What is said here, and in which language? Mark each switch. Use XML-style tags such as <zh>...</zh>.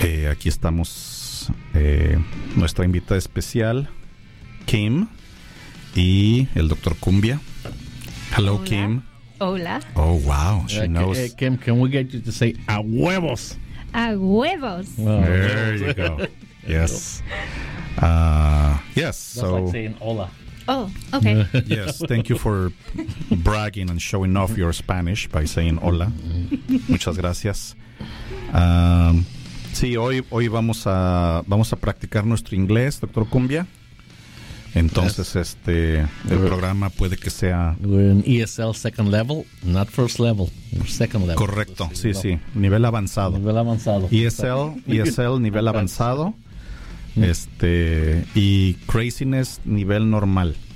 <es>Aquí estamos, nuestra invitada especial, Kim, y el doctor Cumbia.</es> <en>Hello. Hola. Kim.</en> <es>Hola.</es> <en>Oh, wow. She knows. Hey, Kim, can we get you to say a huevos?</en> <es>A huevos.</es> <en>Wow. There you go. Yes. Yes. That's so, like saying hola. Oh, okay. Yes, thank you for bragging and showing off your Spanish by saying hola.</en> <es>Muchas gracias. Sí, hoy vamos a practicar nuestro inglés, doctor Cumbia. Entonces, yes. El programa puede que sea...</es> <en>We're in ESL second level, not first level, second level.</en> <es>Correcto, sí, level. Sí, nivel avanzado. Nivel avanzado. ESL nivel avanzado. Y craziness nivel normal.</es>